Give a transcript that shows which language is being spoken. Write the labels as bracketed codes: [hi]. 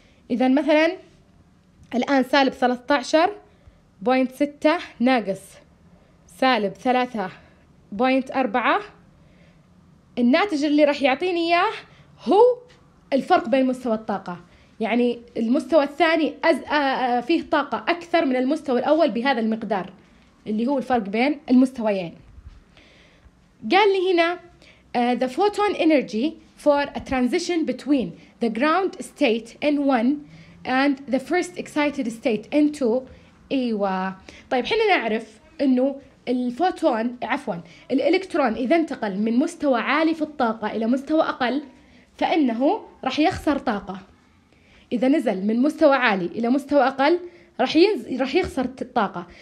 [ar] إذن مثلا الآن سالب 13.6 ناقص سالب 3.4 الناتج اللي راح يعطيني إياه هو الفرق بين مستوى الطاقة، يعني المستوى الثاني فيه طاقة أكثر من المستوى الأول بهذا المقدار اللي هو الفرق بين المستويين. قال لي هنا [en] the photon energy for a transition between the ground state N1 and the first excited state N2. [ar] أيوة طيب حنا نعرف إنه الفوتون الإلكترون إذا انتقل من مستوى عالي في الطاقة إلى مستوى أقل فإنه رح يخسر طاقة. إذا نزل من مستوى عالي إلى مستوى أقل رح يخسر الطاقة.